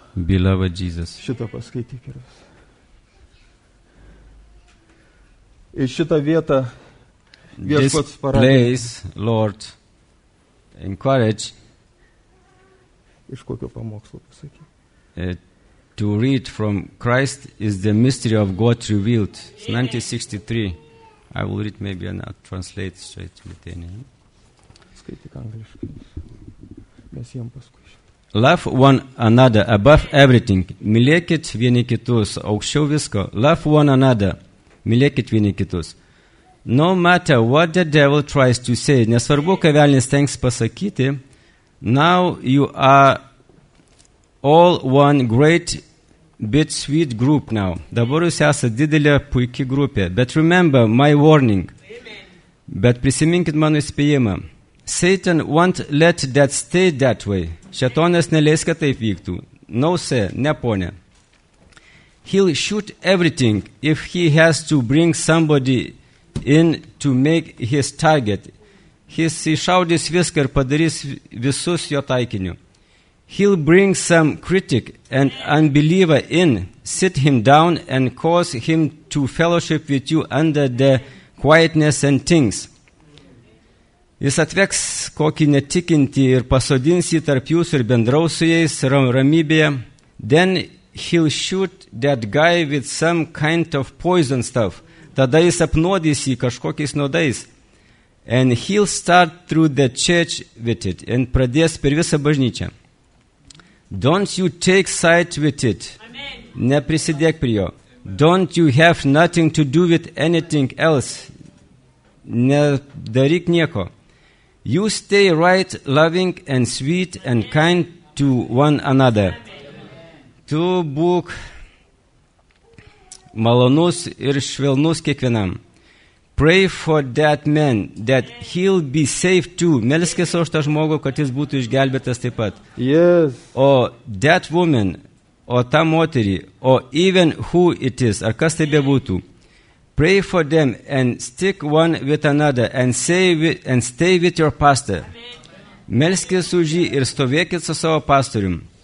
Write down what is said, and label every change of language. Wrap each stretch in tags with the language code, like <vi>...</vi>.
<en>Beloved Jesus.</en> <lt>Šitą paskaityk ir jūs. Ir šitą vietą Viešpats parodė.</lt> <en>This place, Lord, encourage.</en> <lt>Iš kokio pamokslo pasakyti.</lt> <en>To read from Christ is the mystery of God revealed. It's 1963. I will read maybe and I'll translate straight to Lithuanian.</en> <lt>Skaityk angliškai. Mes jiem paskui.</lt> <en>Love one another above everything.</en> <lt>Mylėkit vieni kitus. Aukščiau visko.</lt> <en>Love one another.</en> <lt>Mylėkit vieni kitus.</lt> <en>No matter what the devil tries to say.</en> <lt>Nesvarbu, ką velnis tenks pasakyti.</lt> <en>Now you are all one great bit sweet group now.</en> <lt>Dabar jūs esate didelė puiki grupė.</lt> <en>But remember my warning. Amen.</en> <lt>Bet prisiminkit mano įspėjimą.</lt> <en>Satan won't let that stay that way.</en> <lt>Šetonės neleis, kad taip vyktų.</lt> <en>No, sir,</en> <lt>ne ponė.</lt> <en>He'll shoot everything if he has to bring somebody in to make his target. His</en> <lt>išaudys viską ir padarys visus jo taikiniu.</lt> <en>He'll bring some critic and unbeliever in, sit him down and cause him to fellowship with you under the quietness and things.</en> <lt>Jis atveks kokį netikintį ir pasodins jį tarp jūsų ir bendraus su jais ramybėje.</lt> <en>Then he'll shoot that guy with some kind of poison stuff.</en> <lt>Tada jis apnuodys jį kažkokiais nuodais.</lt> <en>And he'll start through the church with it.</en> <lt>And pradės per visą bažnyčią.</lt> <en>Don't you take side with it. Amen.</en> <lt>Neprisidėk prie jo.</lt> <en>Don't you have nothing to do with anything else.</en> <lt>Nedaryk nieko.</lt> <en>You stay right, loving and sweet and kind to one another.</en> <lt>Tu būk malonus ir švelnus kiekvienam.</lt> <en>Pray for that man, that he'll be saved too.</en> <lt>Melskis už tą žmogų, kad jis būtų išgelbėtas taip pat.</lt> <en>Yes. O that woman,</en> <lt>o ta moterį,</lt> <en>o even who it is,</en> <lt>ar kas tai bebūtų.</lt> <en>Pray for them and stick one with another and say with, and stay with your pastor.</en> <lt>Melskis už jį ir stovėkit su savo pastorium.</lt>